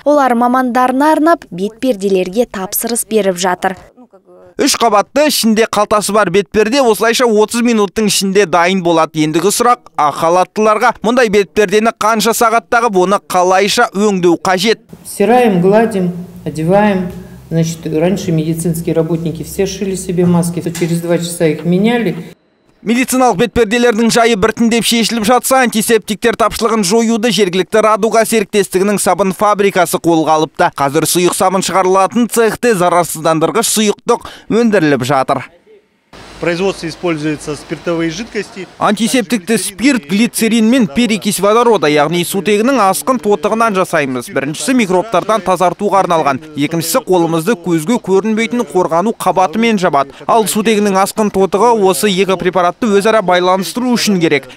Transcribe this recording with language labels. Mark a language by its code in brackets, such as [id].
[kk] Олар мамандарына арнап бетперделерге тапсырыс беріп жатыр. Үш қабатты, ішінде қалтасы бар бетперде осылайша 30 минуттың ішінде дайын болады. Ендігі сұрақ ақалаттыларға. Мұндай бетпердені қанша сағаттағы оны қалайша өңдеу қажет. [ru] Сираем, гладим, одеваем. Значит, раньше медицинские работники все шили себе маски. Через 2 часа их меняли. [kk] Медициналық бетперделердің жайы біртіндеп шешіліп жатса, антисептиктер тапшылығын жоюды жергілікті Радуга серіктестігінің сабын фабрикасы қолға алыпты. Қазір сұйық сабын шығарылатын цехте зарарсыздандырғыш сұйықтық өндіріліп жатыр. [ru] Производство используется спиртовые жидкости. [kk] Антисептикті спирт, глицерин мен перекись водорода, яғни сутегінің асқын тотығынан жасаймыз. Біріншісі микробтардан тазартуға арналған. Екіншісі қолымызды көзге көрінбейтін қорғану қабатымен жабады. Ал сутегінің асқын тотығы осы екі препаратты өзара байланыстыру үшін керек.